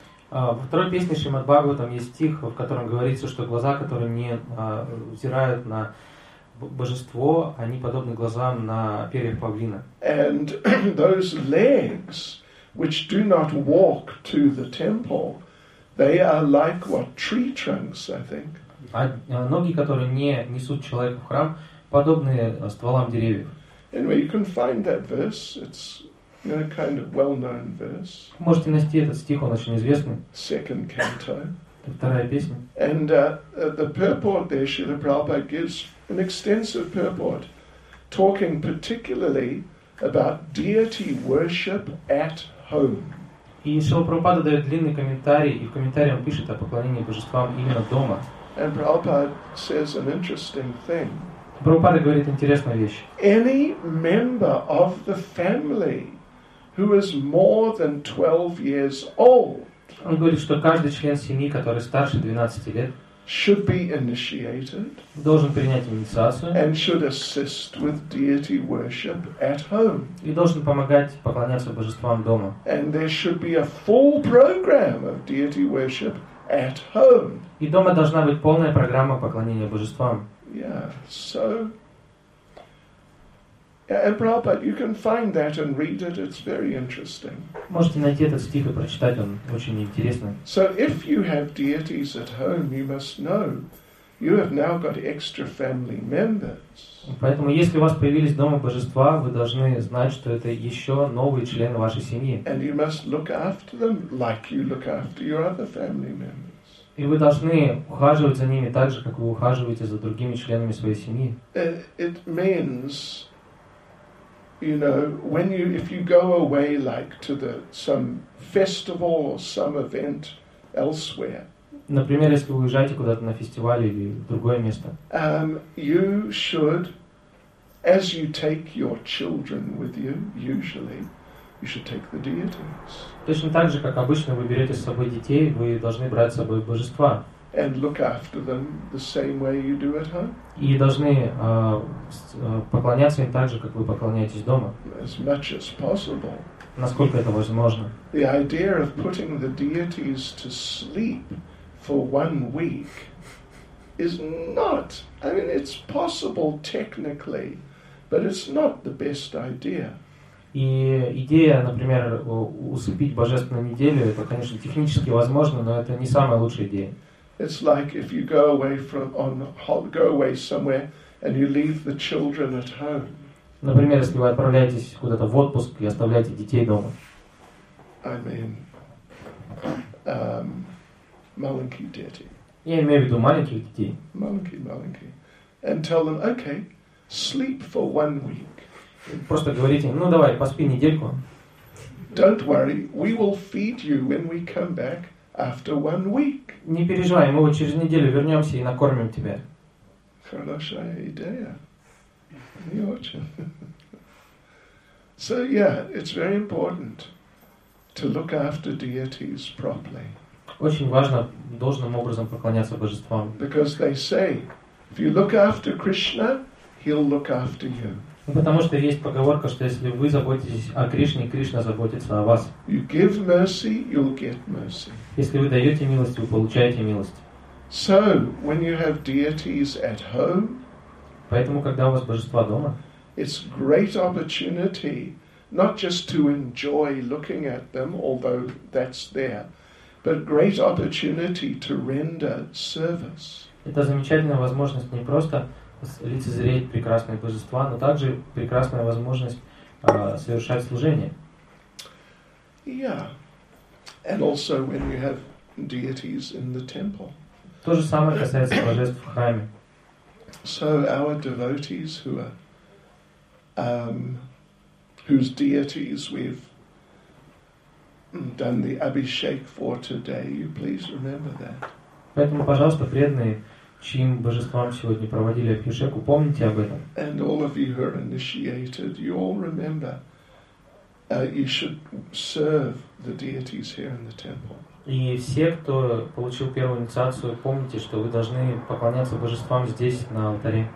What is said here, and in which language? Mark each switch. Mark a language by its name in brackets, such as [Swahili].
[Russian] Во второй песне Шримад-Бхагаватам есть стих, в котором говорится, что глаза, которые не взирают на божество, они подобны глазам на перьях павлина. [English] And those legs which do not walk to the temple, they are like what, tree trunks, I think. [Russian] А ноги, которые не несут человека в храм, подобны стволам деревьев. [English] Anyway, you can find that verse. It's, you know, kind of well-known verse. [Russian] Можете найти этот стих, он очень известный. [English] Second canto. [Russian] Вторая песня. [English] And the purport there, Srila Prabhupada gives an extensive purport, talking particularly about deity worship at home. [Russian] И Шрила Прабхупада дает длинный комментарий, и в комментарии он пишет о поклонении божествам именно дома. [English] And Prabhupada says an interesting thing. [Russian] Прабхупада говорит интересную вещь. [English] Any member of the family who is more than 12 years old. [Russian] Он говорит, что каждый член семьи, который старше 12 лет, [English] should be initiated, [Russian] должен принять инициацию, [English] and should assist with deity worship at home, [Russian] и должен помогать поклоняться божествам дома, [English] and there should be a full program of deity worship at home, [Russian] и дома должна быть полная программа поклонения божествам. [English] Yeah, so, and Prabhupada, you can find that and read it. It's very interesting. [Russian] Можете найти этот стих и прочитать, он очень интересный. [English] So if you have deities at home, you must know you have now got extra family members. [Russian] Поэтому если у вас появились дома божества, вы должны знать, что это еще новые члены вашей семьи. [English] And you must look after them like you look after your other family members. [Russian] И вы должны ухаживать за ними так же, как вы ухаживаете за другими членами своей семьи. [English] It means, you know, when you, if you go away like to the some festival or some event elsewhere, [Russian] например, если вы уезжаете куда-то на фестиваль или другое место, [English] you should, as you take your children with you, usually you should take the deities. [Russian] Точно так же, как обычно вы берете с собой детей, вы должны брать с собой божества. [English] And look after them the same way you do at home. [Russian] И должны поклоняться им так же, как вы поклоняетесь дома. [English] As much as possible. [Russian] Насколько это возможно. [English] The idea of putting the deities to sleep for one week is not, I mean, it's possible technically, but it's not the best idea. [Russian] И идея, например, усыпить божеств на неделю, это, конечно, технически возможно, но это не самая лучшая идея. [English] It's like if you go away from go away somewhere and you leave the children at home. [Russian] Например, если вы отправляетесь куда-то в отпуск и оставляете детей дома. [English] I mean, [Russian] маленькие дети. Я имею в виду маленьких детей. Маленькие. [English] And tell them, okay, sleep for one week. [Russian] Просто говорите им, ну давай, поспи недельку. [English] Don't worry, we will feed you when we come back. After one week. [Russian] Не переживай, мы вот через неделю вернемся и накормим тебя. Хорошая идея. Не очень. [English] So yeah, it's very important to look after deities properly. [Russian] Очень важно должным образом поклоняться божествам. [English] Because they say, if you look after Krishna, he'll look after you. [Russian] Потому что есть поговорка, что если вы заботитесь о Кришне, Кришна заботится о вас. [English] You give mercy, you'll get mercy. [Russian] Если вы даете милость, вы получаете милость. [English] So, when you have deities at home, [Russian] поэтому, когда у вас божества дома, [English] it's great opportunity not just to enjoy looking at them, although that's there, but great opportunity to render service. [Russian] Это замечательная возможность не просто лицезреть прекрасные божества, но также прекрасная возможность совершать служение. [English] Yeah, and also when you have deities in the temple. [Russian] То же самое касается божеств в храме. [English] So our devotees who are whose deities we've done the abhishek for today, you please remember that. [Russian] Поэтому, пожалуйста, преданные, чьим божествам сегодня проводили абхишеку, помните об этом. [English] And all of you who are initiated, you all remember you should serve the deities here in the temple. [Russian] И все, кто получил первую инициацию, помните, что вы должны поклоняться божествам здесь, на алтаре.